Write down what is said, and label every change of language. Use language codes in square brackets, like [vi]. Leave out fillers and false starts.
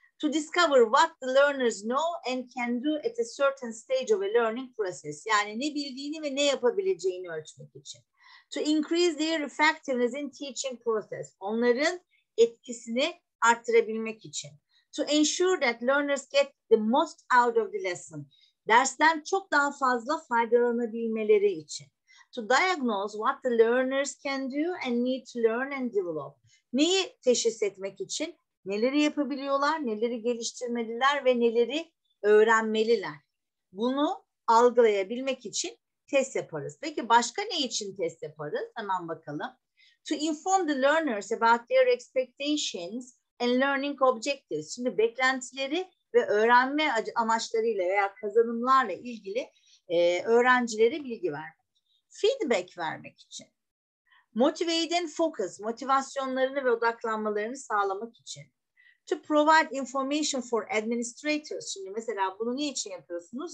[en] To discover what the learners know and can do at a certain stage of a learning process. [tr] Yani ne bildiğini ve ne yapabileceğini ölçmek için. [en] To increase their effectiveness in teaching process. [tr] Onların etkisini arttırabilmek için. [en] To ensure that learners get the most out of the lesson. [tr] Dersten çok daha fazla faydalanabilmeleri için. [en] To diagnose what the learners can do and need to learn and develop. [tr] Neyi teşhis etmek için? Neleri yapabiliyorlar, neleri geliştirmeliler ve neleri öğrenmeliler. Bunu algılayabilmek için test yaparız. Peki başka ne için test yaparız? Hemen bakalım. [en] To inform the learners about their expectations and learning objectives. [tr] Şimdi beklentileri ve öğrenme amaçlarıyla veya kazanımlarla ilgili öğrencilere bilgi vermek. Feedback vermek için. [en] Motivate and focus, [tr] motivasyonlarını ve odaklanmalarını sağlamak için. [en] To provide information for administrators. [tr] Şimdi mesela bunu ne için yapıyorsunuz?